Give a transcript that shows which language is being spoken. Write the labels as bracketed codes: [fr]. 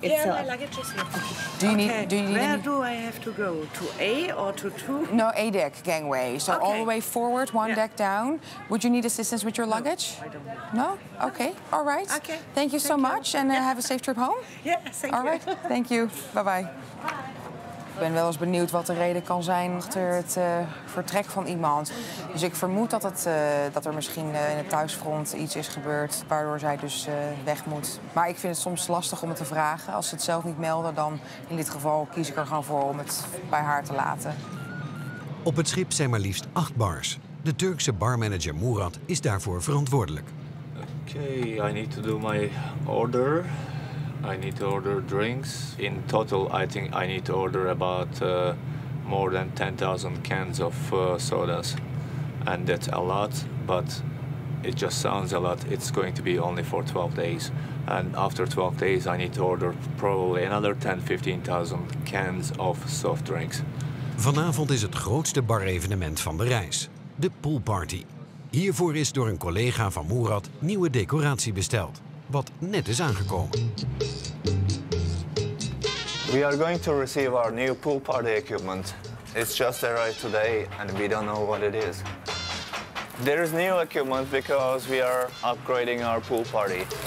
[en] yeah, my luggage is here. Do you need where do I have to go? To A or to 2? No, A deck gangway. So okay. All the way forward, one deck down. Would you need assistance with your luggage? No, I don't. No? Okay. All right. Okay. Thank you so much, and have a safe trip home. Yeah. Thank you. All right. Thank you. Bye bye. [nl] Ik ben wel eens benieuwd wat de reden kan zijn achter het vertrek van iemand. Dus ik vermoed dat, dat er misschien in het thuisfront iets is gebeurd waardoor zij dus weg moet. Maar ik vind het soms lastig om het te vragen. Als ze het zelf niet melden, dan in dit geval kies ik er gewoon voor om het bij haar te laten. Op het schip zijn maar liefst 8 bars. De Turkse barmanager Murat is daarvoor verantwoordelijk. [en] Oké, okay, I need to do my order. I need to order drinks. In total, I think I need to order about more than 10,000 cans of sodas. And that's a lot, but it just sounds a lot. It's going to be only for 12 days. And after 12 days, I need to order probably another 10,000-15,000 cans of soft drinks. [nl] Vanavond is het grootste bar-evenement van de reis, de pool party. Hiervoor is door een collega van Murat nieuwe decoratie besteld. Wat net is aangekomen. [en] We are going to receive our new pool party equipment. It's just arrived today and we don't know what it is. There is new equipment because we are upgrading our pool party.